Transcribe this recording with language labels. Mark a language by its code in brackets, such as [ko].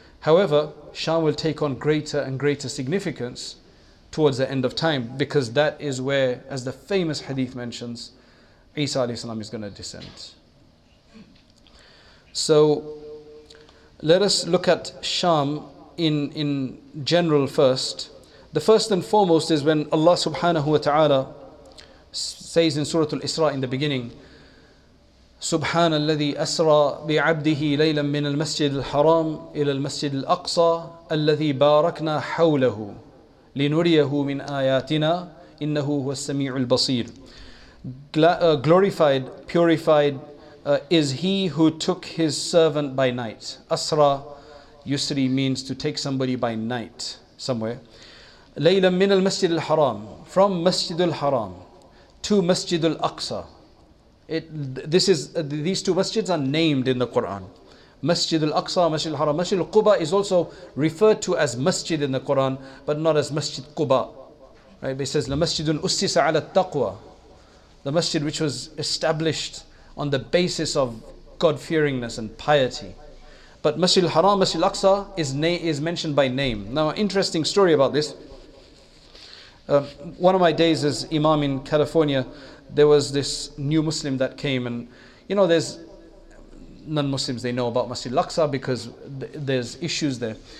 [en] However, Sham will take on greater and greater significance towards the end of time, because that is where, as the famous hadith mentions, Isa alayhi salam is going to descend. So let us look at Sham in general first. The first and foremost is when Allah subhanahu wa ta'ala says in Surah Al-Isra in the beginning, [ar] سُبْحَانَ الَّذِي أَسْرَى بِعَبْدِهِ لَيْلًا مِّنَ الْمَسْجِدِ الْحَرَامِ إِلَى الْمَسْجِدِ الْأَقْصَى الَّذِي بَارَكْنَا حَوْلَهُ لِنُرِيَهُ مِنْ آيَاتِنَا إِنَّهُ هُوَ السَّمِيعُ الْبَصِيرُ. [en] Glorified, purified is he who took his servant by night. Asra, yusri, means to take somebody by night somewhere. [ar] لَيْلًا مِّنَ الْمَسْجِدِ الْحَرَامِ, [en] from Masjid al-Haram to Masjid al-Aqsa. These two masjids are named in the Quran. Masjid al-Aqsa, Masjid al-Haram. Masjid al-Quba is also referred to as masjid in the Quran, but not as Masjid Quba. Right? It says, [ar] لَمَسْجِدٌ أُسِّسَ عَلَى التَّقْوَى. [en] The masjid which was established on the basis of God-fearingness and piety. But Masjid al-Haram, Masjid al-Aqsa is mentioned by name. Now, interesting story about this. One of my days as Imam in California, there was this new Muslim that came, and you know, there's non-Muslims, they know about Masjid al-Aqsa because there's issues there.